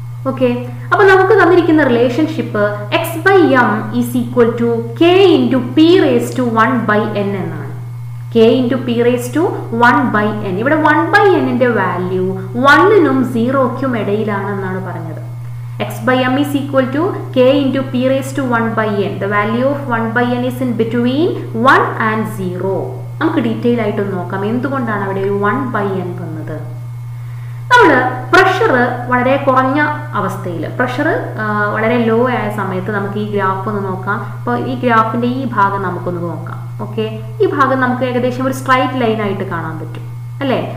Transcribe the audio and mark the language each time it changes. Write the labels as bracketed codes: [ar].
[ml] Okay, അപ്പൊ നമുക്ക് തന്നിരിക്കുന്ന relationship [en] X by M is equal to K into P raise to 1/n [ml] എന്നാണ്. [en] K into P raise to 1/n, [ml] ഇവിടെ 1/n value 1-നും 0-ക്കും ഇടയിലാണെന്നാണ് പറഞ്ഞത്. [en] X by m is equal to k into p raised to 1/n. The value of 1/n is in between 1 and 0. [ml] നമുക്ക് detail ആയിട്ട് നോക്കാം എന്തുകൊണ്ടാണ് അവിടെ ഒരു 1/n വന്നത്. നമ്മൾ പ്രഷർ വളരെ കുറഞ്ഞ അവസ്ഥയിൽ, പ്രഷർ വളരെ ലോ ആയ സമയത്ത് നമുക്ക് ഈ ഗ്രാഫ് ഒന്ന് നോക്കാം. അപ്പോൾ ഈ ഗ്രാഫിൻ്റെ ഈ ഭാഗം നമുക്കൊന്ന് നോക്കാം. ഓക്കെ, ഈ ഭാഗം നമുക്ക് ഏകദേശം ഒരു സ്ട്രൈറ്റ് ലൈൻ ആയിട്ട് കാണാൻ പറ്റും അല്ലേ.